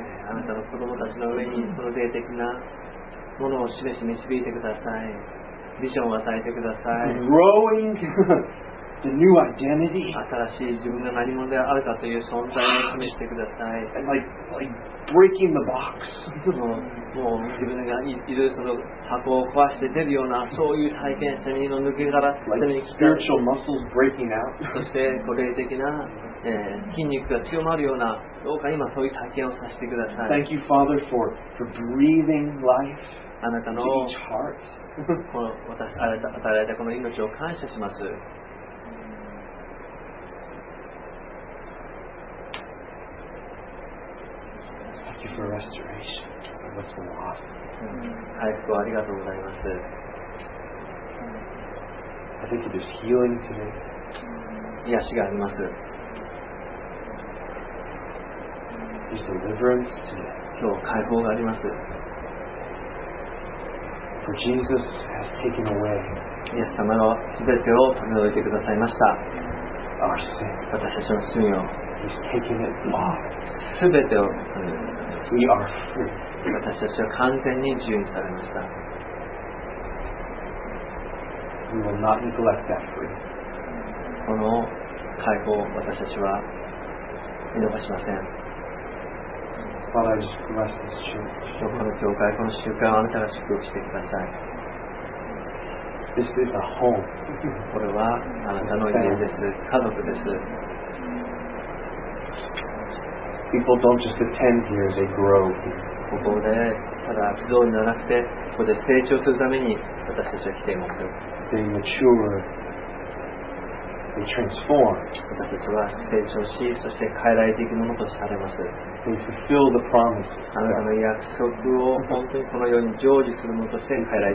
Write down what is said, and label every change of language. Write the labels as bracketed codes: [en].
[ja] あなたの子供たちの上にその霊的なものを示し導いてください。ビジョンを与えてください。 [en] Growing the new identity. [ja] 新しい自分が何者であるかという存在を示してください。 [en] Like breaking the box. [ja] もう自分がいるその箱を壊して出るようなそういう体験者にの抜け殻。 [en] Like spiritual muscles breaking out. [ja] そして個人的な、筋肉が強まるようなどうか今そういう体験をさせてください。 [en] Thank you, Father, for breathing life. [ja] あなたの [en] to each heart. [ja] この私与えられたこの命を感謝します。 [en] Thank you for restoration. What's been lost? [ja] 回復をありがとうございます。 [en] I think it is healing to me. [ja] 癒しがあります。 [en] There's deliverance to me. [ja] 今日解放があります。 [en] Jesus has taken away. [ja] イエス様がすべてを取り除いてくださいました。私たちの罪を。 [en] He's taken it all. [ja] すべてを。 [en] We are free. [ja] 私たちは完全に自由にされました。 [en] We will not neglect that free. [ja] この解放を私たちは見逃しません。 [en] Father, I just bless this church. [ja] この教会、この集会をあなたが祝福してください。 [en] This is a home. [ja] これはあなたの家です。家族です。 [en] People don't just attend here, they grow. [ja] ここでただ集うのではなくて、ここで成長するために私たちは来ています。 [en] They mature. They transform. [ja] 私たちは成長し、そして変えられていくものとされます。 [en] Fulfill the promise. [ja] あなたの約束を本当にこのように成就するものとして変えられ